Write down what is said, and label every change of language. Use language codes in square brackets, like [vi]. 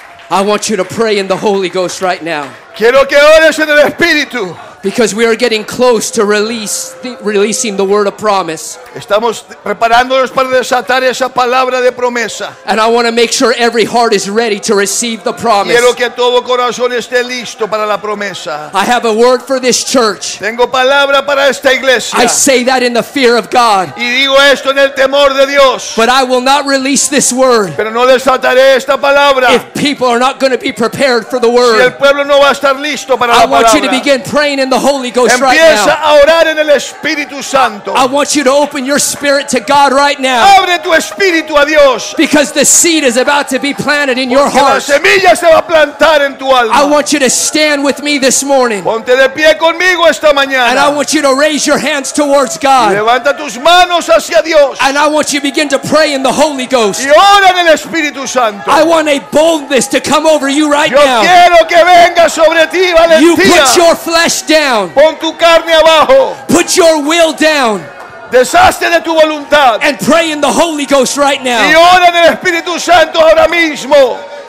[en] I want you to pray in the Holy Ghost right now. [es] Quiero que ores en el Espíritu. [en] Because we are getting close to releasing the word of promise. [es] Estamos preparándonos para desatar esa palabra de promesa. [en] And I want to make sure every heart is ready to receive the promise. [es] Quiero que todo corazón esté listo para la promesa. [en] I have a word for this church. [es] Tengo palabra para esta iglesia. [en] I say that in the fear of God. [es] Y digo esto en el temor de Dios. [en] But I will not release this word. [es] Pero no desataré esta palabra. [en] If people are not going to be prepared for the word. [es] Si el pueblo no va a estar listo para [en] I [es] la [en] want [es] palabra. [en] You to begin praying in the Holy Ghost [es] empieza [en] right now. [es] A orar en el Espíritu Santo. [en] I want you to open your spirit to God right now. [es] Abre tu espíritu a Dios. [en] Because the seed is about to be planted in [es] porque [en] your heart. [es] La semilla se va a plantar en tu alma. [en] I want you to stand with me this morning. [es] Ponte de pie conmigo esta mañana. [en] And I want you to raise your hands towards God. [es] Y levanta tus manos hacia Dios. [en] And I want you to begin to pray in the Holy Ghost. [es] Y ora en el Espíritu Santo. [en] I want a boldness to come over you right [es] yo [en] now. [es] Quiero que venga sobre ti, valentía. [en] You put your flesh down. [es] Pon tu carne abajo. [en] Put your will down. [es] Deshazte de tu voluntad. [en] And pray in the Holy Ghost right now. [es] Y ora en el Espíritu Santo ahora mismo.